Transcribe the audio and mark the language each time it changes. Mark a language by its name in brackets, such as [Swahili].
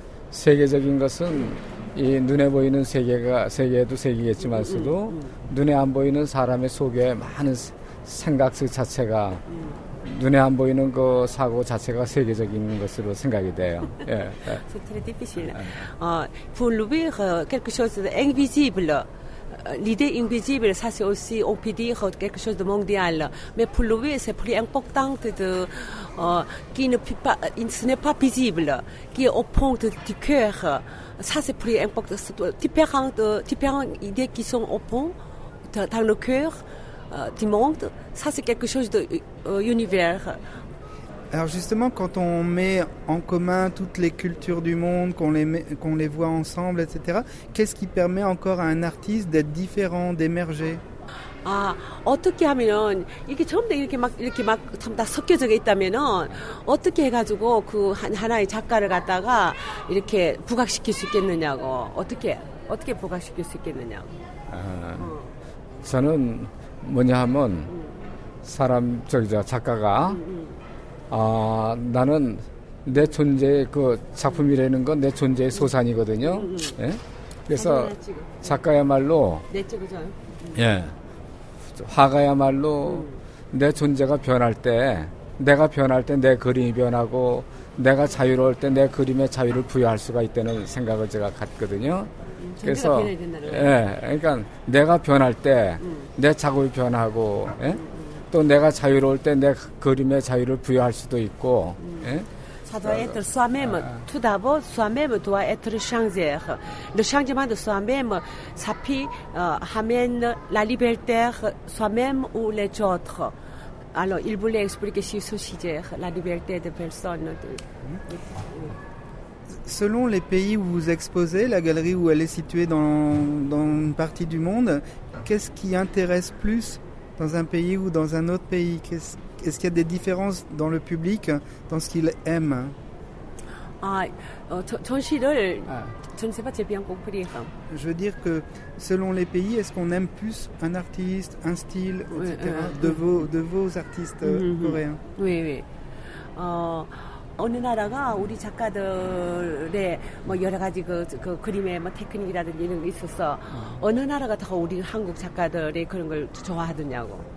[Korean] 세계적인 것은 이 눈에 보이는 세계도 세계겠지만서도 눈에 안 보이는 사람의 속에 많은 생각 자체가 눈에 안 보이는 그 사고 자체가 세계적인 것으로 생각이 돼요. [French] 예. C'est très difficile. Pour lui, quelque chose d'invisible. L'idée invisible, ça c'est aussi, on peut dire, quelque chose de mondial. Mais pour lui, c'est plus important ce n'est pas visible, qui est au point du cœur. Ça c'est plus important. Différentes idées qui sont au point dans le cœur du monde, ça c'est quelque chose d'univers. Alors justement, quand on met en commun toutes les cultures du monde, qu'on les voit ensemble, etc., qu'est-ce qui permet encore à un artiste d'être différent, d'émerger? [Korean] 아, 어떻게 하면 이게 처음부터 이렇게 막 참 다 섞여져 있다면은 어떻게 해가지고 그 하나의 작가를 갖다가 이렇게 부각시킬 수 있겠느냐고 어떻게 부각시킬 수 있겠느냐? 저는 뭐냐하면 사람 저기 작가가 나는 내 존재의 그 작품이라는 건 내 존재의 소산이거든요. 예? 그래서 작가야말로 내 예. 화가야말로 내 존재가 변할 때 내가 변할 때 내 그림이 변하고 내가 자유로울 때 내 그림에 자유를 부여할 수가 있다는 생각을 제가 갖거든요. 그래서 예, 그러니까 내가 변할 때 내 작업이 변하고 예? 또 내가 자유로울 때 내 그림에 자유를 부여할 수도 있고 예? [French] Ça doit être soi-même. Tout d'abord, soi-même doit être changé. Le changement de soi-même, ça puis, amène la liberté soi-même ou les autres. Alors, il voulait expliquer sur ce sujet, la liberté des personnes. Selon les pays où vous exposez, la galerie où elle est située dans une partie du monde, qu'est-ce qui intéresse plus dans un pays ou dans un autre pays? Est-ce qu'il y a des différences dans le public, dans ce qu'il aime? Je veux dire que selon les pays, est-ce qu'on aime plus un artiste, un style, etc. De vos artistes coréens? Oui, oui. [Korean] 어느 나라가 우리 작가들의 뭐 여러 가지 그 그림의 뭐 테크닉이라든지 이런 게 있어서 어느 나라가 더 우리 한국 작가들의 그런 걸 좋아하느냐고.